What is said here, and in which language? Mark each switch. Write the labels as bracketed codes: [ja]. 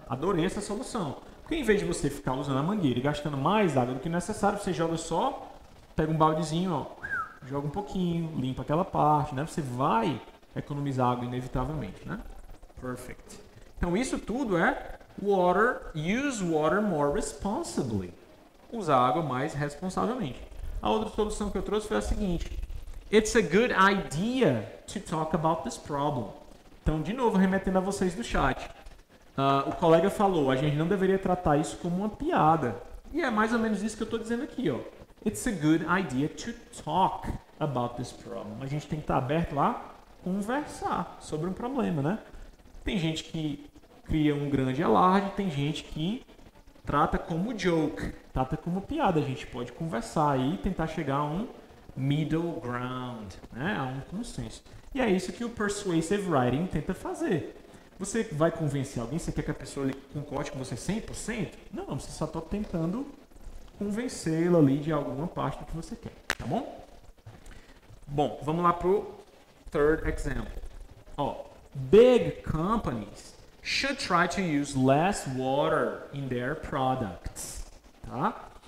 [pt] Adorei essa solução. Porque em vez de você ficar usando a mangueira e gastando mais água do que necessário, você joga só, pega um baldezinho, ó, joga um pouquinho, limpa aquela parte, né? Você vai economizar água inevitavelmente, né? Perfect. Então isso tudo é [en] water, use water more responsibly. [pt] Usar água mais responsavelmente. A outra solução que eu trouxe foi a seguinte. [en] It's a good idea to talk about this problem. [pt] Então, de novo, remetendo a vocês do chat. O colega falou, a gente não deveria tratar isso como uma piada. E é mais ou menos isso que eu estou dizendo aqui, ó. [en] It's a good idea to talk about this problem. [pt] A gente tem que estar aberto a conversar sobre um problema, né? Tem gente que cria um grande alarde, tem gente que trata como joke, trata como piada. A gente pode conversar aí e tentar chegar a um middle ground, né? A um consenso. E é isso que o persuasive writing tenta fazer. Você vai convencer alguém? Você quer que a pessoa concorde com você 100%? Não, você só está tentando convencê-la ali de alguma parte do que você quer, tá bom? Bom, vamos lá para o third example. [en] Ó, big companies should try to use less water in their products, tá?